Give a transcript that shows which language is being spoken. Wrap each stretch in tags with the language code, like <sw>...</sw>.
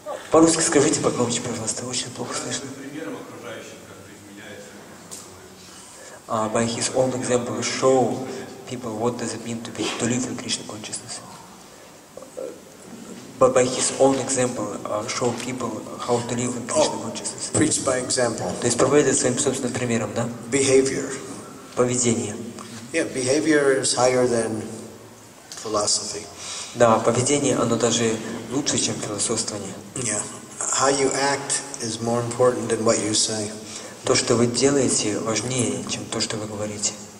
<ru>По-русски скажите погромче, пожалуйста, очень плохо слышно.</ru> <en>By his own example, show people what does it mean to be to live in Krishna consciousness. But by his own example, show people how to live in Krishna consciousness. Preach by example.</en> <ru>То есть проповедовать своим собственным примером, да?</ru> <en>Behavior.</en> <ru>Поведение.</ru> <en>Yeah, behavior is higher than philosophy.</en> <ru>Да, поведение, оно даже лучше, чем философствование.</ru> <en>Yeah. How you act is more important than what you say.</en> <ru>То, что вы делаете, важнее, чем то, что вы говорите.</ru>